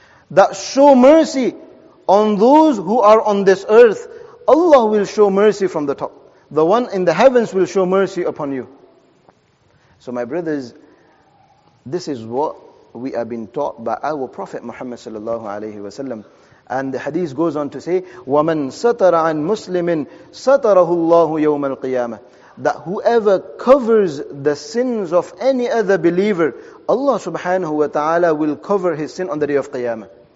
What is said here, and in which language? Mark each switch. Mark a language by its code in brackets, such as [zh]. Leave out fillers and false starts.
[en] That show mercy on those who are on this earth, Allah will show mercy from the top. The one in the heavens will show mercy upon you. So my brothers, this is what we have been taught by our Prophet Muhammad sallallahu alayhi wa sallam. And the hadith goes on to say, [ar] وَمَنْ سَتَرَ عَنْ مُسْلِمٍ سَتَرَهُ اللَّهُ يَوْمَ الْقِيَامَةِ. [en] That whoever covers the sins of any other believer, Allah subhanahu wa ta'ala will cover his sin on the day of Qiyamah.